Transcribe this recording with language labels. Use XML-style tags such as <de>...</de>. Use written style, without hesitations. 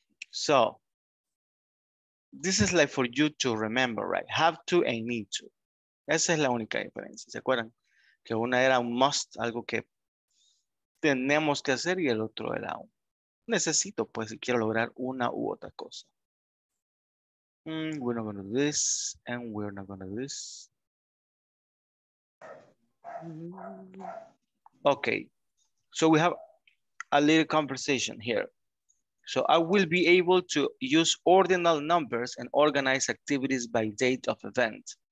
<en>So, this is like for you to remember, right? Have to and need to.</en> <es>Esa es la única diferencia. ¿Se acuerdan? Que una era un must, algo que tenemos que hacer, y el otro era un necesito, pues, si quiero lograr una u otra cosa.</es> <en>We're not gonna do this, and we're not gonna do this. Okay, so we have a little conversation here. So I will be able to use ordinal numbers and organize activities by date of event.</en>